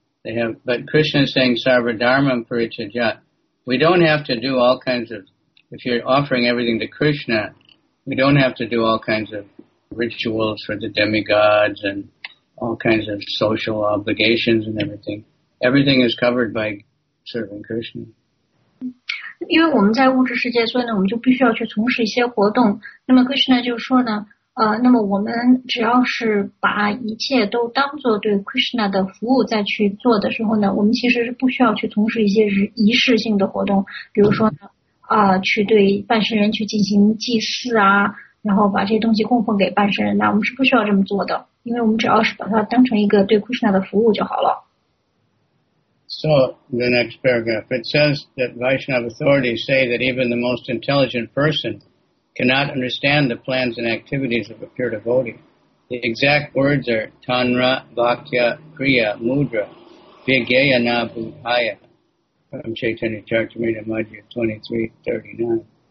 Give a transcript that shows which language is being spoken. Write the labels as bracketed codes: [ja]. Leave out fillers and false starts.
[en] They have, but Krishna is saying [sa] sarva dharma parichajat. [en] We don't have to do all kinds of, if you're offering everything to Krishna, we don't have to do all kinds of rituals for the demigods and all kinds of social obligations and everything. Everything is covered by serving Krishna. [zh] 因为我们在物质世界，所以呢，我们就必须要去从事一些活动。那么 Krishna 就说呢，那么我们只要是把一切都当做对 Krishna 的服务再去做的时候呢，我们其实是不需要去从事一些仪式性的活动，比如说呢，去对半身人去进行祭祀啊，然后把这些东西供奉给半身人呢，我们是不需要这么做的，因为我们只要是把它当成一个对 Krishna 的服务就好了。 [en] So, the next paragraph, it says that Vaishnava authorities say that even the most intelligent person cannot understand the plans and activities of a pure devotee. The exact words are [bn] tanra, bhaktya, kriya, mudra, vigayana, bhuhaya, [en] from Chaitanya Charitamrita Madhya 23:39.